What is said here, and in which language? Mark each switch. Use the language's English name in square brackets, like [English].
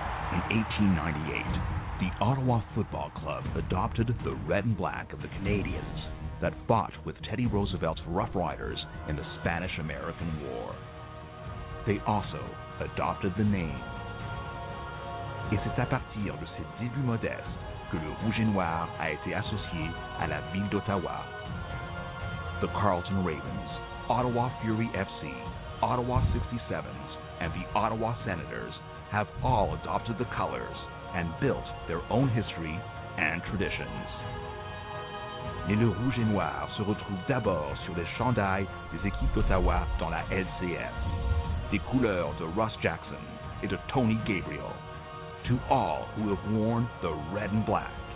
[English] In 1898, the Ottawa Football Club adopted the red and black of the Canadians that fought with Teddy Roosevelt's Rough Riders in the Spanish-American War. They also adopted the name. [French] Et c'est à partir de ces débuts modestes que le Rouge et Noir a été associé à la ville d'Ottawa. [English] The Carleton Ravens, Ottawa Fury FC, Ottawa 67s, and the Ottawa Senators have all adopted the colors and built their own history and traditions. [French] Mais le rouge et noir se retrouve d'abord sur les chandails des équipes d'Ottawa dans la LCF. Des couleurs de Russ Jackson et de Tony Gabriel. [English] To all who have worn the red and black.